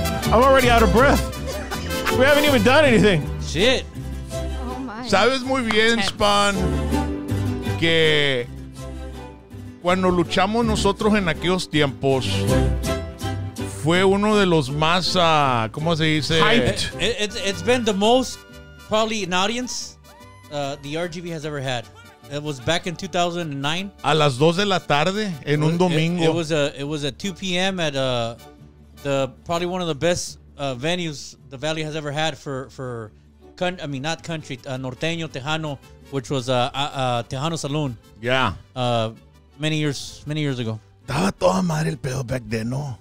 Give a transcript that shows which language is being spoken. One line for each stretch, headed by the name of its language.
English: I'm already out of breath. We haven't even done anything. Shit. Oh my.
Spanish: Sabes muy bien, Span, que cuando luchamos nosotros en aquellos tiempos, fue uno de los más, ¿cómo se dice?
English: Hyped. It's been the most, probably, an audience the RGB has ever had. It was back in 2009.
Spanish: A las 2 de la tarde, en un domingo.
English: It was at 2 p.m. at the probably one of the best venues the Valley has ever had for Norteño Tejano, which was Tejano Saloon. Yeah. Many years ago.
Spanish: Estaba toda madre el pedo
English: back then,
Spanish: ¿no?